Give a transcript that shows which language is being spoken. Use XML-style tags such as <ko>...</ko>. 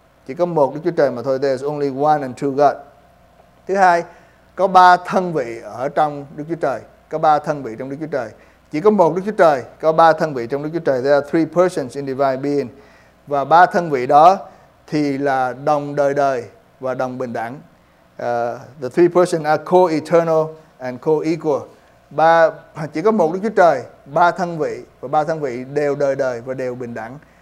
<vi>Chỉ có một Đức Chúa Trời mà thôi.</vi> <en>There is only one and true God.</en> <vi>Thứ hai, có ba thân vị ở trong Đức Chúa Trời. Có ba thân vị trong Đức Chúa Trời. Chỉ có một Đức Chúa Trời, có ba thân vị trong Đức Chúa Trời.</vi> <en>There are three persons in divine being.</en> <vi>Và ba thân vị đó thì là đồng đời đời và đồng bình đẳng.</vi> <en>The three persons are co-eternal and co-equal.</en> <vi>Chỉ có một Đức Chúa Trời, ba thân vị, và ba thân vị đều đời đời và đều bình đẳng.</vi>